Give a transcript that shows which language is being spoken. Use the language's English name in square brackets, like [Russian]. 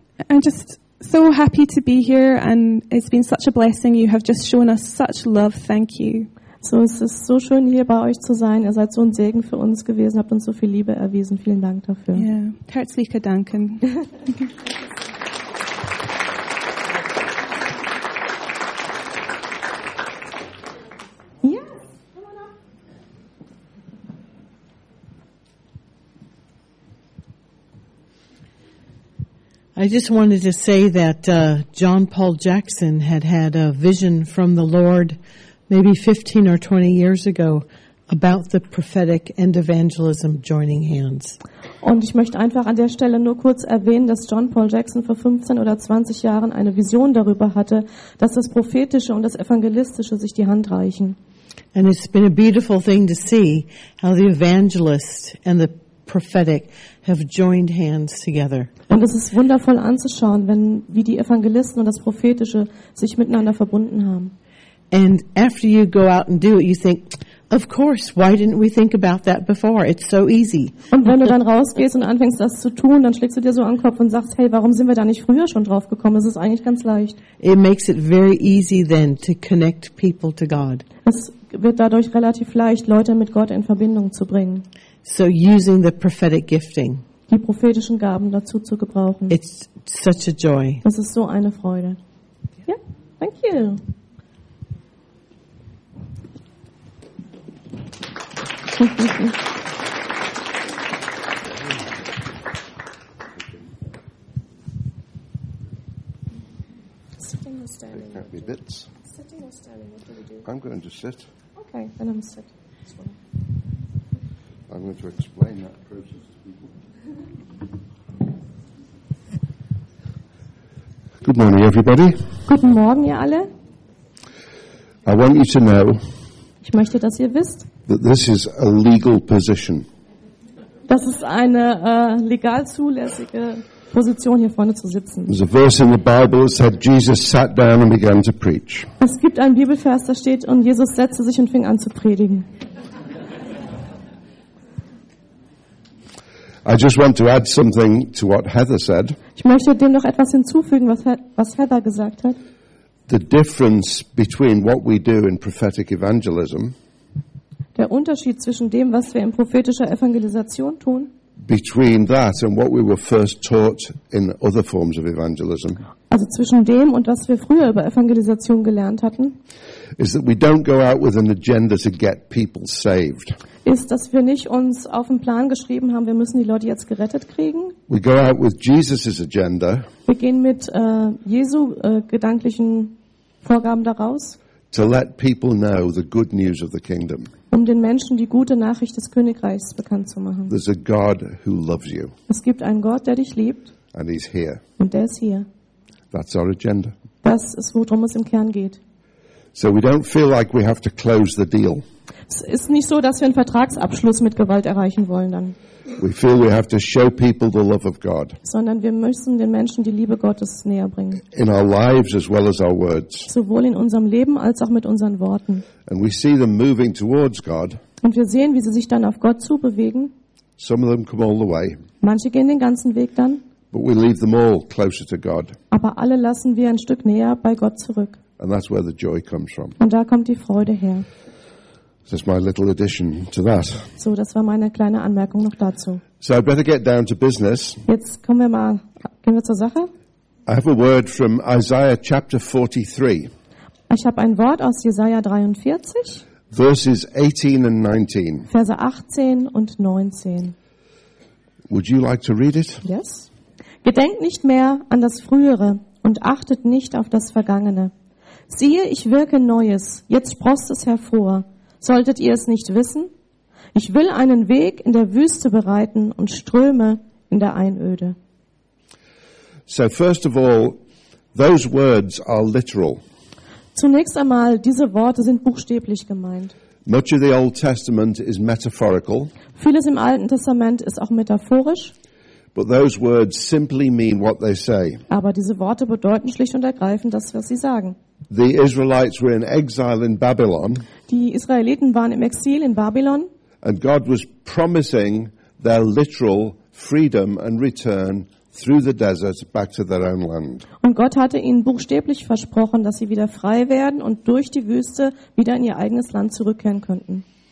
[English] I'm just so happy to be here and it's been such a blessing. You have just shown us such love. Thank you. [German] So, es ist so schön, hier bei euch zu sein. Ihr seid so ein Segen für uns gewesen, habt uns so viel Liebe erwiesen. Vielen Dank dafür. Ja, yeah. Herzliche Danke. [English] I just wanted to say that John Paul Jackson had a vision from the Lord maybe 15 or 20 years ago about the prophetic and evangelism joining hands. [German] Und ich möchte einfach an der Stelle nur kurz erwähnen, dass John Paul Jackson vor 15 oder 20 Jahren eine Vision darüber hatte, dass das Prophetische und das Evangelistische sich die Hand reichen. [English] And it's been a beautiful thing to see how the evangelist and the prophetic have joined hands together. [German] Und es ist wundervoll anzuschauen, wie die Evangelisten und das Prophetische sich miteinander verbunden haben. [English] And after you go out and do it, you think, of course, why didn't we think about that before? It's so easy. [German] Und wenn du dann rausgehst und anfängst, das zu tun, dann schlägst du dir so an den Kopf und sagst, hey, warum sind wir da nicht früher schon drauf gekommen? Es ist eigentlich ganz leicht. [English] It makes it very easy then to connect people to God. [German] Es wird dadurch relativ leicht, Leute mit Gott in Verbindung zu bringen. [English] So using the prophetic gifting. [German] Die prophetischen Gaben dazu zu gebrauchen. [English] It's such a joy. [German] Das ist so eine Freude. [English] Yeah, thank you. Sitting or standing? There can't be bits. Sitting or standing? What do we do? I'm going to sit. Okay, then I'm sit. I'm going to explain that process to people. Good morning, everybody. [German] Guten Morgen, ihr alle. [English] I want you to know. [German] Ich möchte, dass ihr wisst. [English] That this is a legal position. [German] Das ist eine legal zulässige Position hier vorne zu sitzen. [English] There's a verse in the Bible that said Jesus sat down and began to preach. [German] Es gibt einen Bibelvers, da steht, und Jesus setzte sich und fing an zu predigen. [English] I just want to add something to what Heather said. [German] Ich möchte dem noch etwas hinzufügen, was Heather gesagt hat. [English] The difference between what we do in prophetic evangelism. [German] Der Unterschied zwischen dem, was wir in prophetischer Evangelisation tun. [English] Between that and what we were first taught in other forms of evangelism. [German] Also zwischen dem und was wir früher über Evangelisation gelernt hatten. [English] Is that we don't go out with an agenda to get people saved. [German] Ist, dass wir nicht uns auf den Plan geschrieben haben, wir müssen die Leute jetzt gerettet kriegen. [English] We go out with Jesus's agenda. [German] Wir gehen mit Jesu gedanklichen Vorgaben daraus. [English] To let people know the good news of the kingdom. [German] Um den Menschen die gute Nachricht des Königreichs bekannt zu machen. [English] There's a God who loves you. [German] Es gibt einen Gott, der dich liebt. [English] And he's here. [German] Und der ist hier. [English] That's our agenda. [German] Das ist, worum es im Kern geht. [English] So we don't feel like we have to close the deal. [German] Es ist nicht so, dass wir einen Vertragsabschluss mit Gewalt erreichen wollen dann. [English] We feel we have to show people the love of God. [German] Sondern wir müssen den Menschen die Liebe Gottes näher bringen. [English] In our lives as well as our words. [German] Sowohl in unserem Leben als auch mit unseren Worten. [English] And we see them moving towards God. [German] Und wir sehen, wie sie sich dann auf Gott zubewegen. [English] Some of them come all the way. [German] Manche gehen den ganzen Weg dann. [English] But we leave them all closer to God. [German] Aber alle lassen wir ein Stück näher bei Gott zurück. [English] And that's where the joy comes from. [German] Und da kommt die Freude her. [English] This is my little addition to that. [German] So, das war meine kleine Anmerkung noch dazu. [English] So I'd better get down to business. [German] Jetzt kommen wir mal, gehen wir zur Sache. [English] I have a word from Isaiah chapter 43. [German] Ich habe ein Wort aus Jesaja 43. [English] Verses 18 and 19. [German] Verse 18 und 19. [English] Would you like to read it? Yes. [German] Gedenkt nicht mehr an das Frühere und achtet nicht auf das Vergangene. Siehe, ich wirke Neues, jetzt sprost es hervor. Solltet ihr es nicht wissen? Ich will einen Weg in der Wüste bereiten und Ströme in der Einöde. [English] So first of all, those words are literal. [German] Zunächst einmal, diese Worte sind buchstäblich gemeint. [English] Much of the Old Testament is metaphorical. [German] Vieles im Alten Testament ist auch metaphorisch. [English] But those words simply mean what they say. [German] Aber diese Worte bedeuten schlicht und ergreifend das, was sie sagen. [English] The Israelites were in exile in Babylon. [German] Die Israeliten waren im Exil in Babylon. [English] And God was promising their literal freedom and return through the desert back to their own land. [German] Und Gott hatte ihnen buchstäblich versprochen, dass sie wieder frei werden und durch die Wüste wieder in ihr eigenes Land zurückkehren könnten.